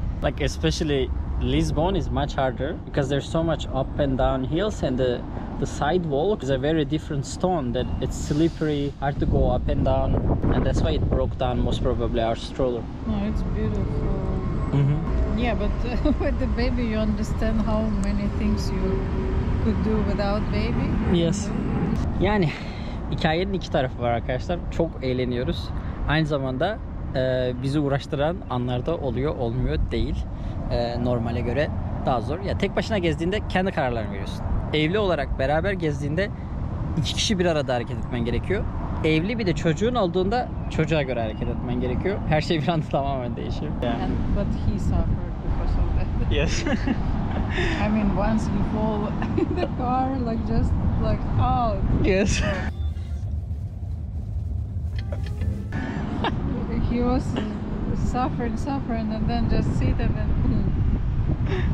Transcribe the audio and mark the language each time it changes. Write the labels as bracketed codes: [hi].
[en] Like especially Lisbon is much harder because there's so much up and down hills, and the sidewalk is a very different stone that it's slippery, hard to go up and down, and that's why it broke down most probably our stroller. No, it's beautiful. Mm-hmm. Yeah, but with the baby you understand how many things you could do without baby. Yes. [tr] Yani hikayenin iki tarafı var arkadaşlar. Çok eğleniyoruz. Aynı zamanda bizi uğraştıran anlarda oluyor, olmuyor değil. Normale göre daha zor. Ya tek başına gezdiğinde kendi kararlarını veriyorsun. Evli olarak beraber gezdiğinde iki kişi bir arada hareket etmen gerekiyor. Evli bir de çocuğun olduğunda çocuğa göre hareket etmen gerekiyor. Her şey bir anda tamamen değişiyor. [en] Yeah. But he suffered because of that. Yes. I mean, once you fall in the car, like just like out. Yes. He was suffering, and then just sit and then.